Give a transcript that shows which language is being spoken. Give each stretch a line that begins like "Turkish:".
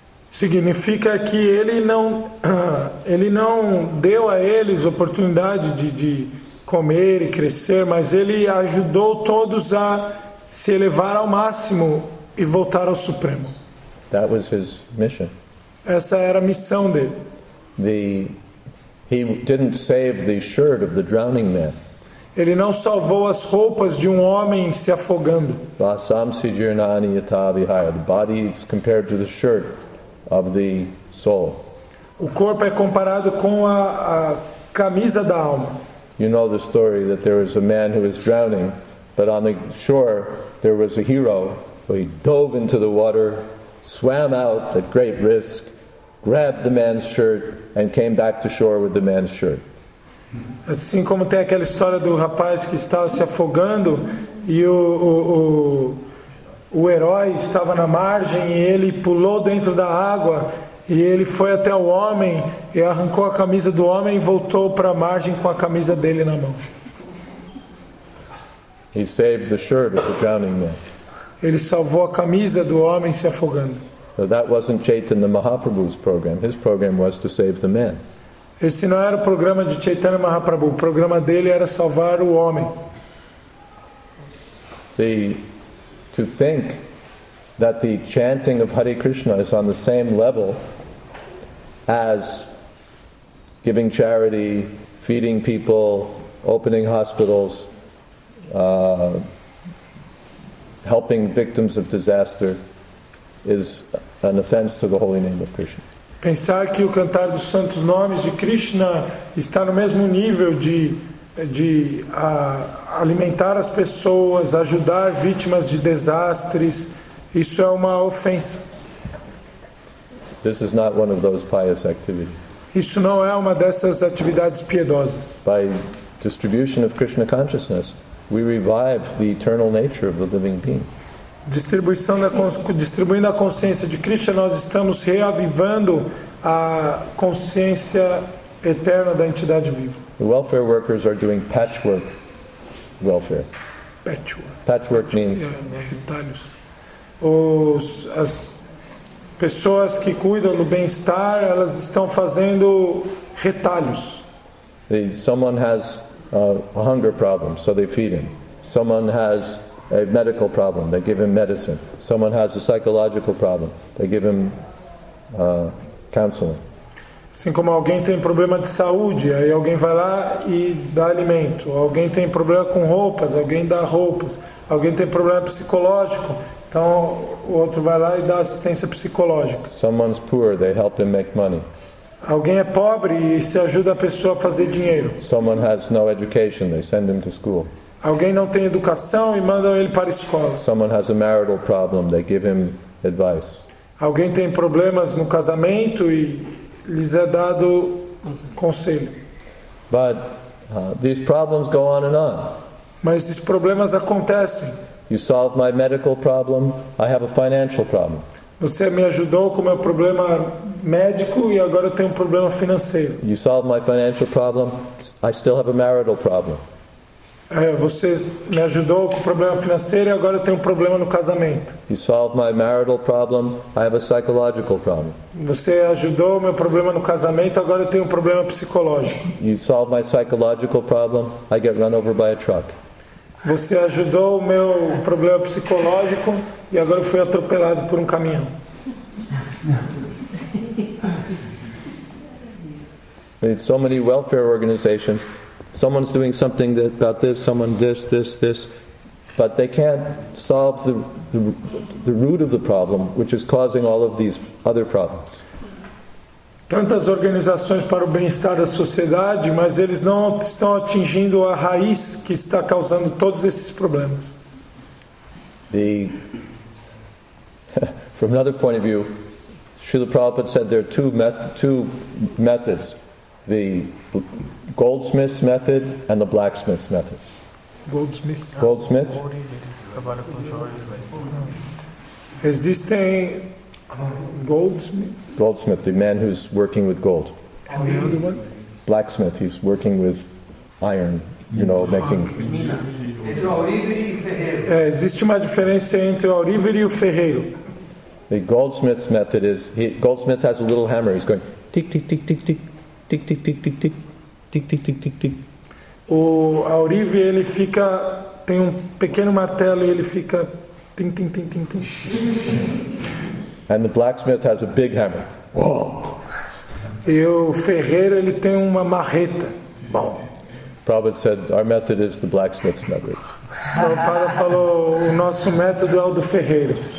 Portuguese: Significa que ele não deu a eles oportunidade de comer e crescer, mas ele ajudou todos a se elevar ao máximo e voltar ao Supremo.
English: That was his mission.
Portuguese: Essa era a missão dele.
English: He didn't save the shirt of the drowning man.
Portuguese: Ele não salvou as roupas de um homem se afogando.
Sanskrit: Vasamsi jirnani yata vihaya.
English: The body is compared to the shirt of the soul.
Portuguese: O corpo é comparado com a camisa da alma.
English: You know the story that there was a man who was drowning, but on the shore there was a hero. He dove into the water, swam out at great risk, grabbed the man's shirt, and came back to shore with the man's shirt.
Portuguese: Assim como tem aquela história do rapaz que estava se afogando e o herói estava na margem e ele pulou dentro da água e ele foi até o homem e arrancou a camisa do homem e voltou para a margem com a camisa dele na mão.
English: He saved the shirt of the drowning man.
Portuguese: Ele salvou a camisa do homem se afogando.
English: So that wasn't Chaitanya Mahaprabhu's program. His program was to save the man.
Portuguese: Esse não era o programa de Chaitanya Mahaprabhu. O programa dele era salvar o homem.
English: To think that the chanting of Hare Krishna is on the same level as giving charity, feeding people, opening hospitals, helping victims of disaster is an offense to the holy name of Krishna.
Portuguese: Pensar que o cantar dos santos nomes de Krishna está no mesmo nível de alimentar as pessoas, ajudar vítimas de desastres, isso é uma ofensa.
English: This is not one of those pious activities.
Portuguese: Isso não é uma dessas atividades piedosas.
English: By distribution of Krishna consciousness, we revive the eternal nature of the living being.
Portuguese: Distribuindo a consciência de Krishna, nós estamos reavivando a consciência eterna da entidade viva.
English: The welfare workers are doing patchwork welfare. Patchwork means
Portuguese: retalhos. As pessoas que cuidam do bem-estar, elas estão fazendo retalhos.
English: Someone has a hunger problem, so they feed him. Someone has a medical problem, they give him medicine. Someone has a psychological problem, they give him counseling.
Portuguese: Assim como alguém tem problema de saúde, aí alguém vai lá e dá alimento. Alguém tem problema com roupas, alguém dá roupas. Alguém tem problema psicológico, então o outro vai lá e dá assistência psicológica.
English: Someone's poor, they help him make money.
Portuguese: Alguém é pobre e se ajuda a pessoa a fazer dinheiro.
English: Someone has no education, they send him to school.
Portuguese: Alguém não tem educação e mandam ele para a escola.
English: Someone has a marital problem, they give him advice.
Portuguese: Alguém tem problemas no casamento e lhes é dado conselho.
English: But these problems go on and on.
Portuguese: Mas esses problemas acontecem.
English: You solve my medical problem, I have a financial problem.
Portuguese: Você me ajudou com meu problema médico e agora eu tenho um problema financeiro.
English: You solve my financial problem, I still have a marital problem.
Portuguese: Você me ajudou com o problema financeiro e agora eu tenho um problema no casamento.
English: You solved my marital problem, I have a psychological problem.
Portuguese: Você ajudou meu problema no casamento, agora eu tenho um problema psicológico.
English: You solved my psychological problem, I get run over by a truck.
Portuguese: Você ajudou o meu problema psicológico e agora eu fui atropelado por um caminhão.
English: There's so many welfare organizations. Someone's doing something that, about this, someone this, but they can't solve the root of the problem, which is causing all of these other problems.
Portuguese: Tantas organizações para o bem-estar da sociedade, mas eles não estão atingindo a raiz que está causando todos esses problemas.
English: The, from another point of view, Srila Prabhupada said there are two methods. The goldsmith's method and the blacksmith's method. Goldsmith.
Portuguese: Existem goldsmith.
English: Goldsmith, the man who's working with gold. And the other one? Blacksmith, he's working with iron, you know, making.
Portuguese: Entre o aurífero e o ferreiro. Existe uma diferença entre o aurífero e o ferreiro.
English: The goldsmith's method is, goldsmith has a little hammer, he's going tick, tick, tick, tick, tick. Tic, tic, tic, tic, tic, tic, tic, tic, tic.
Portuguese: O aurífero ele fica tem um pequeno martelo e ele fica ting ting ting ting ting.
English: And the blacksmith has a big hammer.
Portuguese: Whoa. E o ferreiro ele tem uma marreta. Bom.
English: Prabhupada said our method is the blacksmith's method.
Portuguese: Prabhupada falou o nosso método é o do ferreiro.